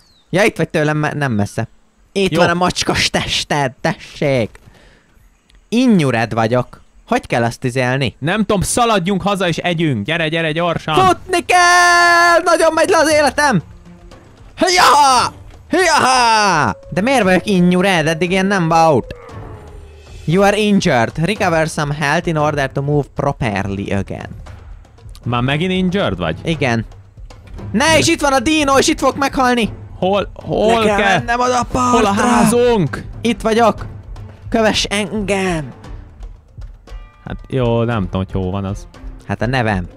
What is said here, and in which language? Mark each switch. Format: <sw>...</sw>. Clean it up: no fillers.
<hu>Ja, itt vagy tőlem, nem messze. Itt jó. Van a macskos tested, tessék! Injured vagyok. Hogy kell azt izélni? Nem tudom, szaladjunk haza és együnk. Gyere, gyere, gyorsan! Futni kell! Nagyon megy le az életem! Hiaha! Hiaha! De miért vagyok injured? Eddig ilyen nem volt.</hu> <en>You are injured. Recover some health in order to move properly again.</en> <hu>Már megint injured vagy? Igen. Ne, és itt van a dino, és itt fog meghalni! Hol le kell mennem oda, Paltra? Hol a házunk? Itt vagyok! Kövess engem! Hát jó, nem tudom, hogy hol van az. Hát a nevem.</hu>